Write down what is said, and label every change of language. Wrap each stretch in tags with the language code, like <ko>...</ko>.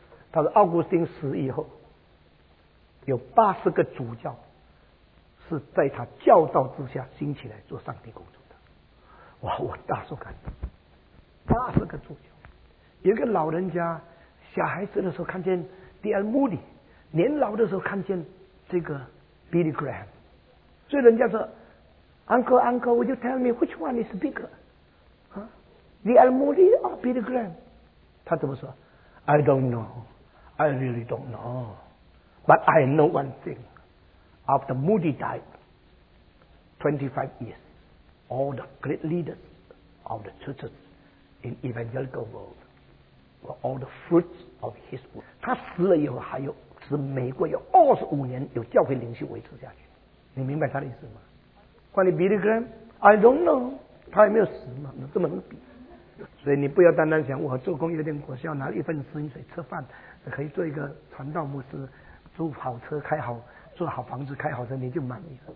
<zh>他说奥古斯丁死以后有80个主教是在他教导之下兴起来做上帝工作的。哇，我大受感动。80个主教。有个老人家小孩子的时候看见 D.L. Moody， 年老的时候看见这个 Billy Graham。所以人家说</zh> <en>Uncle would you tell me which one is bigger？ D.L. Moody or Billy Graham？</en> <zh>他怎么说？</zh> <en>I don't know. I really don't know. But I know one thing. After Moody died, 25 years, all the great leaders of the churches in evangelical world were all the fruits of his work.</en> <zh>他死了以后还有使美国有25年有教会领袖维持下去。你明白他的意思吗？关于 Billy Graham，</zh> <en>I don't know.</en> <zh>他还没有死吗？那这么能比。所以你不要单单想我做工有点苦，需要拿一份薪水吃饭，可以做一个传道牧师，租好车开好，做好房子开好车，你就满意了。</zh>